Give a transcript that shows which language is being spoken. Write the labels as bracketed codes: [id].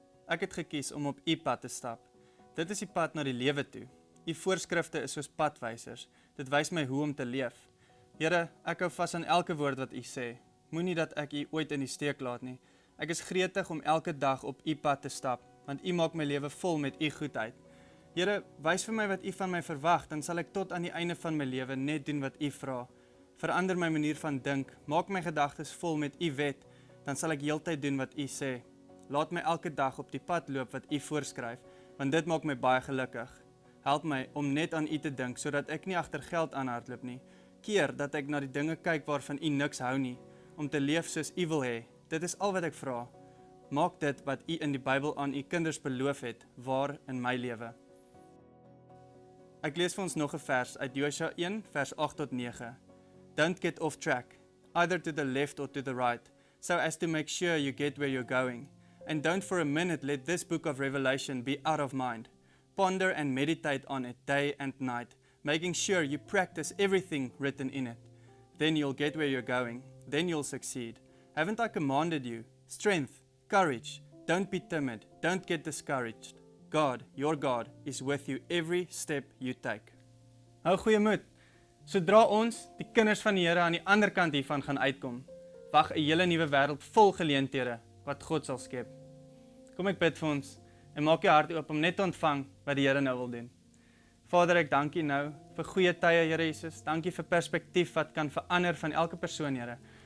[af] Ek het gekies om op u pad te stap. Dit is die pad na die lewe toe. U voorskrifte is soos padwysers. Dit wys my hoe om te leef. Here, ek hou vas aan elke woord wat u sê. Moenie dat ek u ooit in die steek laat nie. Ek is gretig om elke dag op u pad te stap. want U maak my lewe vol met U goedheid. Here, wys vir my wat U van my verwag, dan sal ek tot aan die einde van my lewe net doen wat U vra. Verander my manier van dink, maak my gedagtes vol met U wet, dan sal ek heeltyd doen wat U sê. Laat my elke dag op die pad loop wat U voorskryf, want dit maak my baie gelukkig. Help my om net aan U te dink, sodat ek nie agter geld aanhardloop nie. Keer dat ek na die dinge kyk waarvan U niks hou nie, om te leef soos U wil hê. Dit is al wat ek vra. Maak dit wat U in die Bybel aan U kinders beloof het, waar in my lewe. Ek lees vir ons nog 'n vers uit Josua 1 vers 8 tot 9. [en] Don't get off track, either to the left or to the right, so as to make sure you get where you're going. And don't for a minute let this book of Revelation be out of mind. Ponder and meditate on it day and night, making sure you practice everything written in it. Then you'll get where you're going. Then you'll succeed. Haven't I commanded you? Strength, courage, don't be timid, don't get discouraged. God, your God, is with you every step you take. [af] Hou goeie moed. Sodra ons, die kinders van die Here, aan die ander kant hiervan gaan uitkom, wag 'n hele nuwe wêreld vol geleenthede wat God sal skep. Kom ek bid vir ons en maak jou hart oop om net te ontvang wat die Here nou wil doen. Vader, ek dank U nou vir goeie tye, Here Jesus. Dankie vir perspektief wat kan verander van elke persoon, Here.